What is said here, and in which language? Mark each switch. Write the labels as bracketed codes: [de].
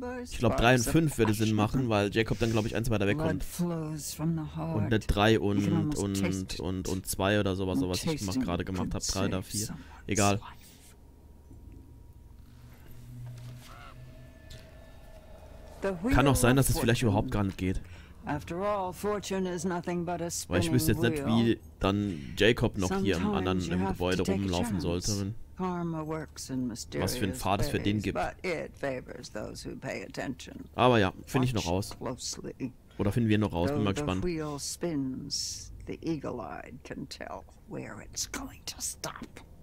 [de] Ich glaube, 3 und 5 würde Sinn machen, weil Jacob dann, glaube ich, eins weiter wegkommt. Und nicht 3 und 2 oder sowas, so was ich gerade gemacht habe. 3 oder 4. Egal. Kann auch sein, dass es vielleicht überhaupt gar nicht geht. [en] After all, fortune is nothing but a spinning wheel. [de] Ich wüsste jetzt nicht, wie dann Jacob noch hier im anderen im Gebäude rumlaufen sollte. Was für ein Pfad es für den gibt. Aber ja, finde ich noch raus. Oder finden wir noch raus, bin mal gespannt. [en] Though the wheel spins, the eagle-eyed can tell where it's going to stop.